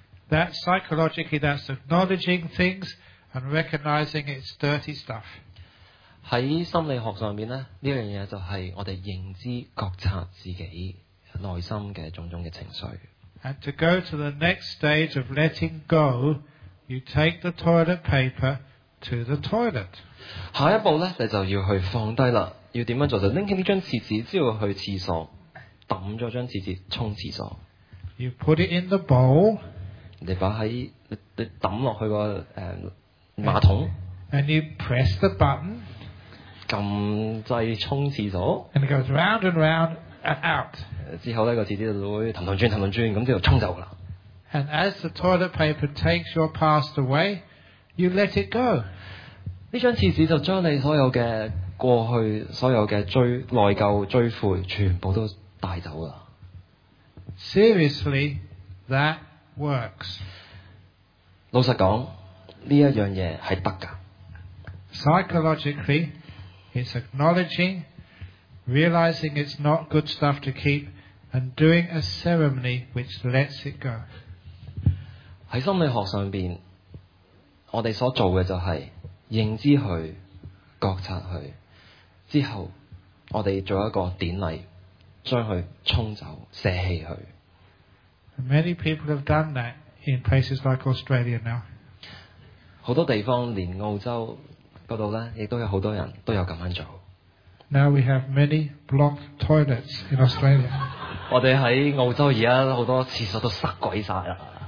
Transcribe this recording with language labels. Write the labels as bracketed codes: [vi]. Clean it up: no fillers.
[en] That psychologically, that's acknowledging things and recognizing it's dirty stuff. [yue] 喺心理學上邊咧，呢樣嘢就係我哋認知、覺察自己內心嘅種種嘅情緒。 [en] And to go to the next stage of letting go, you take the toilet paper to the toilet. [yue] 下一步咧，你就要去放低啦。要怎樣做就拎起呢張紙紙，之後去廁所抌咗張紙紙沖廁所。 [en] You put it in the bowl。 [yue] 你把喺你抌落去個馬桶。 [en] And you press the button。 [yue] 撳掣沖廁所。 [en] And it goes round and round and out。 [yue] 之後咧個紙紙就會騰騰轉騰騰轉咁之後沖走啦。 [en] And as the toilet paper takes your past away, you let it go。 [yue] 呢張紙紙就將你所有嘅過去所有的追內疚追悔全部都帶走了。 [en] Seriously, that works. [yue] 老實講，呢一樣嘢係得㗎。 [en] Psychologically, it's acknowledging, realizing it's not good stuff to keep, and doing a ceremony which lets it go. [yue] 喺心理學上面，我哋所做嘅就係認知佢，覺察佢。之後我哋做一個典禮，將佢沖走、捨棄佢。 [en] Many people have done that in places like Australia now. [yue] 好多地方，連澳洲嗰度咧，亦都有好多人都有咁樣做。 [en] Now we have many blocked toilets in Australia. [yue] 我哋喺澳洲而家好多廁所都塞鬼曬啦。